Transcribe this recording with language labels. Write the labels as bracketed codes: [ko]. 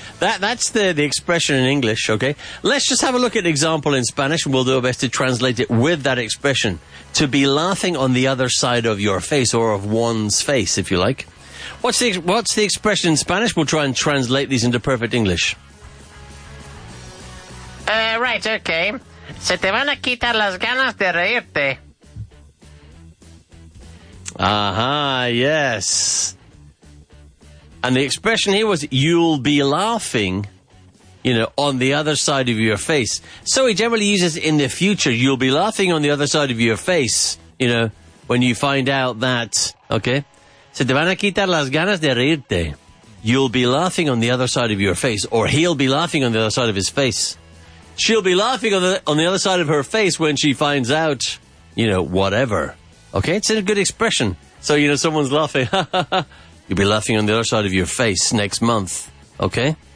[en] That's the expression in English, okay? Let's just have a look at an example in Spanish, and we'll do our best to translate it with that expression. To be laughing on the other side of your face, or of one's face, if you like. What's the expression in Spanish? We'll try and translate these into perfect English. Right, okay. [es] Se te van a quitar las ganas de reírte. [en] Yes. And the expression here was, you'll be laughing, you know, on the other side of your face. So he generally uses in the future, you'll be laughing on the other side of your face, you know, when you find out that, okay? [es] Se te van a quitar las ganas de reírte. [en] You'll be laughing on the other side of your face, or he'll be laughing on the other side of his face. She'll be laughing on the other side of her face when she finds out, you know, whatever. Okay, it's a good expression. So, you know, someone's laughing. You'll be laughing on the other side of your face next month. Okay?